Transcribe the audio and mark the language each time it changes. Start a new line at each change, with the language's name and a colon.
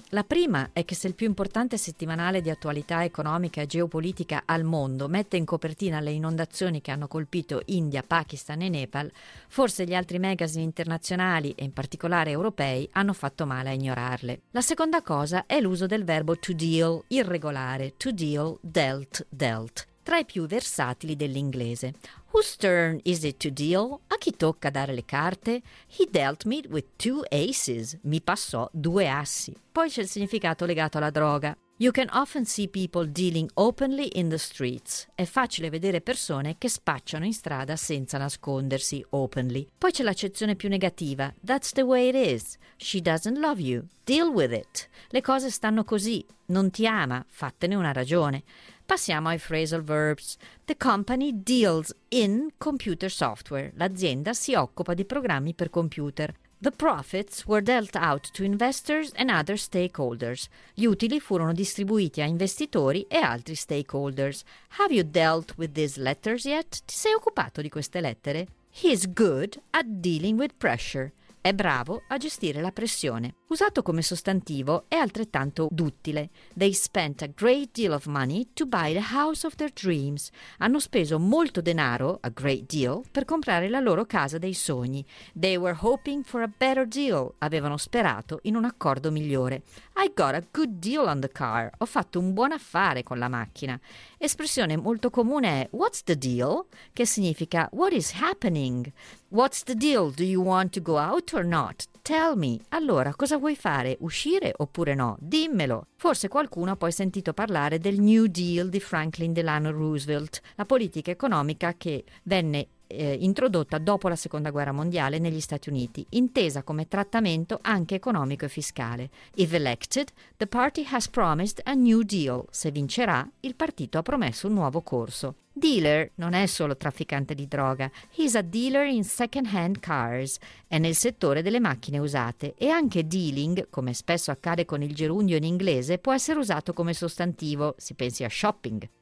Italian: La prima è che se il più importante settimanale di attualità economica e geopolitica al mondo mette in copertina le inondazioni che hanno colpito India, Pakistan e Nepal, forse gli altri magazine internazionali, e in particolare europei, hanno fatto male a ignorarle. La seconda cosa è l'uso del verbo to deal, irregolare, to deal, dealt, dealt. Tra i più versatili dell'inglese.
English: Whose turn is it to deal?
Italian: A chi tocca dare le carte?
English: He dealt me with two aces.
Italian: Mi passò due assi. Poi c'è il significato legato alla droga.
English: You can often see people dealing openly in the streets.
Italian: È facile vedere persone che spacciano in strada senza nascondersi openly. Poi c'è l'accezione più negativa.
English: That's the way it is. She doesn't love you. Deal with it.
Italian: Le cose stanno così. Non ti ama. Fattene una ragione. Passiamo ai phrasal verbs.
English: The company deals in computer software.
Italian: L'azienda si occupa di programmi per computer.
English: The profits were dealt out to investors and other stakeholders.
Italian: Gli utili furono distribuiti a investitori e altri stakeholders.
English: Have you dealt with these letters yet?
Italian: Ti sei occupato di queste lettere?
English: He's good at dealing with pressure.
Italian: È bravo a gestire la pressione. Usato come sostantivo, è altrettanto duttile.
English: They spent a great deal of money to buy the house of their dreams.
Italian: Hanno speso molto denaro,
English: a great deal,
Italian: per comprare la loro casa dei sogni.
English: They were hoping for a better deal.
Italian: Avevano sperato in un accordo migliore.
English: I got a good deal on the car.
Italian: Ho fatto un buon affare con la macchina. Espressione molto comune è
English: what's the deal?
Italian: Che significa
English: what is happening? What's the deal? Do you want to go out or not? Tell me.
Italian: Allora, cosa vuoi fare? Uscire oppure no? Dimmelo. Forse qualcuno ha poi sentito parlare del New Deal di Franklin Delano Roosevelt, la politica economica che venne introdotta dopo la Seconda Guerra Mondiale negli Stati Uniti, intesa come trattamento anche economico e fiscale.
English: If elected, the party has promised a New Deal.
Italian: Se vincerà, il partito ha promesso un nuovo corso. Dealer non è solo trafficante di droga,
English: he's a dealer in second-hand cars,
Italian: è nel settore delle macchine usate, e anche dealing, come spesso accade con il gerundio in inglese, può essere usato come sostantivo, si pensi a shopping.